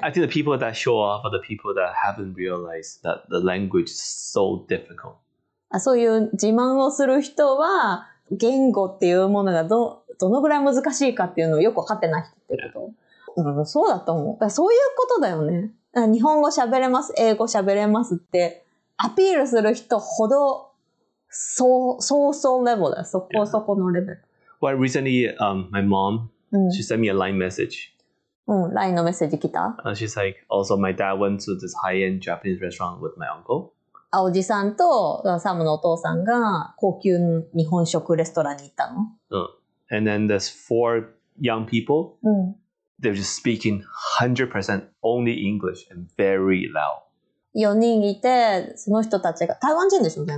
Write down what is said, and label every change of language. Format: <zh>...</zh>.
<en>Yeah. I think the people that show off are the people that haven't realized that the language is so difficult.</en> <ja>あ、そういう自慢をする人は、言語っていうものが どのぐらい難しいかっていうのをよく分かってない人ってこと。</ja> <en>Yeah.</en> <ja>うん、そうだと思う。だからそういうことだよね。だから日本語喋れます、英語喋れますってアピールする人ほど、そうレベルだよ。そこそこのレベル。</ja> <en>Yeah. Well, recently, my mom, she sent me a LINE message.</en> <ja>うん、LINE のメッセージ来た。</ja> <en>She's like, also my dad went to this high-end Japanese restaurant with my uncle.</en> <ja>あ、おじさんとサムのお父さんが高級日本食レストランに行ったの。うん。</ja> <en>And then there's four young people.、</en> <ja>うん、</ja> <en>they're just speaking 100% only English and very loud.</en> <ja>4人いて、その人たちが、台湾人でしょ、全</ja>